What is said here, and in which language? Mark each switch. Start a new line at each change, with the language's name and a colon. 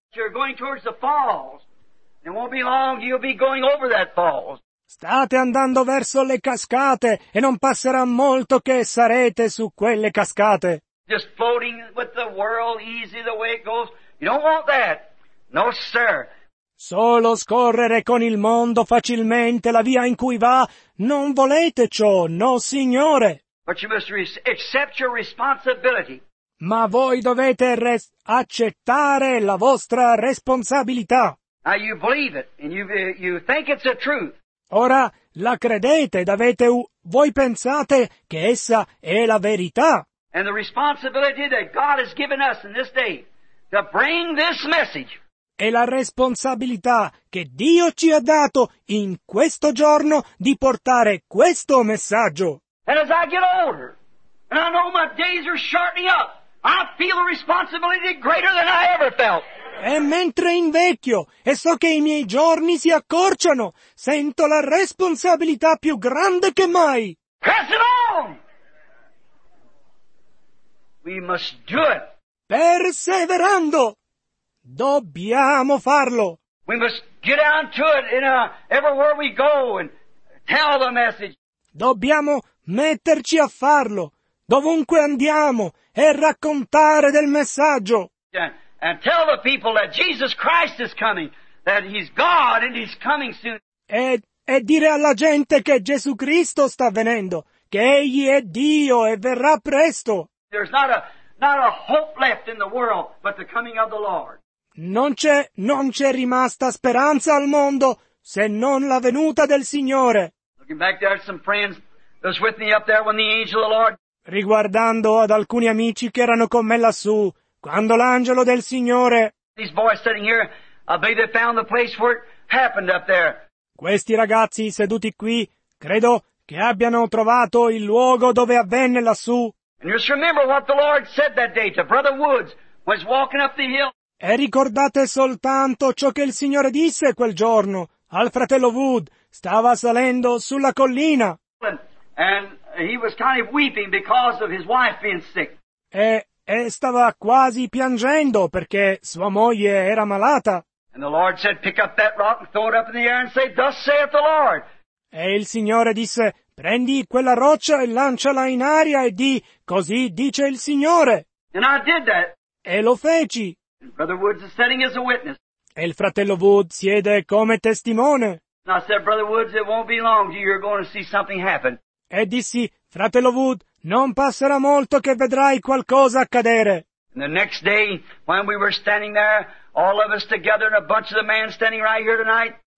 English: You're going towards the falls. It won't be long, you'll be going over that falls.
Italian: State andando verso le cascate e non passerà molto che sarete su quelle cascate.
English: Just floating with the world easy the way it goes. You don't want that. No, sir.
Italian: Solo scorrere con il mondo facilmente la via in cui va, non volete ciò, no signore.
English: But you must accept your responsibility.
Italian: Ma voi dovete accettare la vostra responsabilità.
English: Now you believe it and you think it's the truth.
Italian: Ora la credete ed avete voi pensate che essa è la verità.
English: And the responsibility that God has given us in this day to bring this message.
Italian: È la responsabilità che Dio ci ha dato in questo giorno di portare questo messaggio.
English: And as I get older, and I know my days are shortening up, I feel a responsibility greater than I ever felt.
Italian: E mentre invecchio e so che i miei giorni si accorciano, sento la responsabilità più grande che mai.
English: Press it on! We must do it.
Italian: Perseverando! Dobbiamo farlo.
English: We must get down to it in everywhere we go and tell the message.
Italian: Dobbiamo metterci a farlo dovunque andiamo e raccontare del messaggio.
English: And tell the people that Jesus Christ is coming, that he's God and he's coming soon.
Italian: E dire alla gente che Gesù Cristo sta venendo, che egli è Dio e verrà presto.
English: There's not a hope left in the world but the coming of the Lord.
Italian: Non c'è rimasta speranza al mondo se non la venuta del Signore.
English: Looking back there, some friends that was with me up there when the angel of the Lord.
Italian: Riguardando ad alcuni amici che erano con me lassù quando l'angelo del Signore.
English: These boys sitting here, I believe they found the place where it happened up there.
Italian: Questi ragazzi seduti qui credo che abbiano trovato il luogo dove avvenne lassù.
English: And just remember what the Lord said that day to Brother Woods when he was walking up the hill.
Italian: E ricordate soltanto ciò che il Signore disse quel giorno al fratello Wood. Stava salendo sulla collina.
English: And he was kind of weeping because of his wife being sick.
Italian: E stava quasi piangendo perché sua moglie era malata.
English: And the Lord said, pick up that rock and throw it up in the air and say, thus saith the Lord.
Italian: E il Signore disse, prendi quella roccia e lanciala in aria e di, così dice il Signore.
English: And I did that.
Italian: E lo feci.
English: And Brother Woods is sitting as a witness.
Italian: E il fratello Wood siede come testimone.
English: And I said, Brother Woods, it won't be long till you're going to see something happen.
Italian: E dissi, fratello Wood, non passerà molto che vedrai qualcosa accadere.
English: And the next day, when we were standing there, all of us together and a bunch of the men standing right here tonight,